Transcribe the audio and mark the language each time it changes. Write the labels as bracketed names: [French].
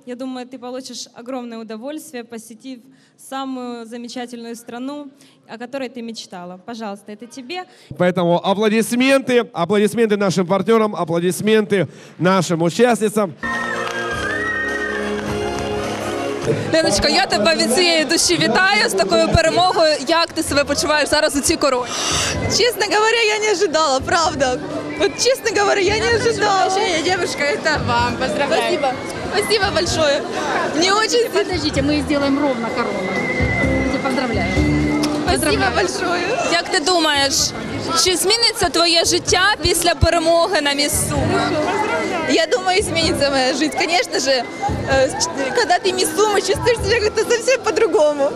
[Russian] Я думаю, ты получишь огромное удовольствие, посетив самую замечательную страну, о которой ты мечтала. Пожалуйста, это тебе. Поэтому аплодисменты, аплодисменты нашим партнерам, аплодисменты нашим участницам. [Ukrainian] Леночка, я тебе від цієї душі вітаю з такою перемогою. Як ти себе почуваєш зараз у цій короні? [Russian] Чесно говоря, я не ожидала, правда. От чесно говоря, я не ожидала. [Ukrainian] Ще є дівчинка, це вам, поздравляю. [Russian] Спасибо. Спасибо большое. [Ukrainian] Мені дуже... Подождіть, ми зробимо ровно корону. [Russian] Поздравляю. Спасибо большое. [Ukrainian] Як ти думаєш, чи зміниться твоє життя після перемоги на місцу? Я думаю, зміниться моя життя. [Russian] Конечно же, когда ты мисс Сумы, чувствуешь себя как-то совсем по-другому.